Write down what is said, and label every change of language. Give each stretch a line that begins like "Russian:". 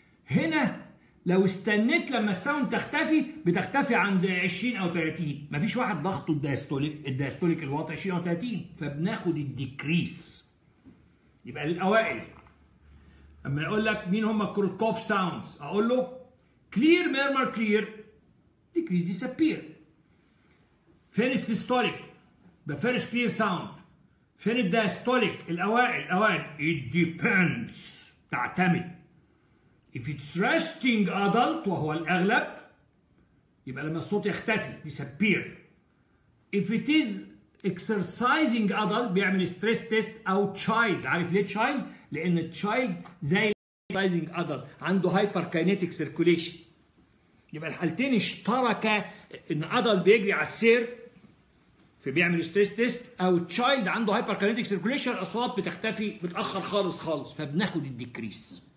Arabic: هنا لو استنيت لما الساوند تختفي، بتختفي عند 20 او 30، مفيش واحد ضغطه الدايستوليك، الدايستوليك اللي هو 20 او 30، فبناخد الديكريس. يبقى للاوائل. اما اقول لك مين هم كروتكوف ساوندز، اقول له كلير ميرمر كلير، ديكريس ديسابير.
English: فين السيستوليك؟ The first clear sound.
Arabic: فين الدايستوليك؟ الاوائل، اوائل.
English: It depends،
Arabic: تعتمد.
English: If it's resting adult
Arabic: وهو الأغلب، يبقى لما الصوت يختفي disappear.
English: If it is exercising adult بيعمل stress test أو child.
Arabic: عارف ليه child؟ لأن child زي exercising adult عنده hyperkinetic circulation. يبقى الحالتين اشتركة، إن adult بيجري على السير فبيعمل stress test، أو child عنده hyperkinetic circulation الأصوات بتختفي متأخر خالص خالص، فبناخد decrease.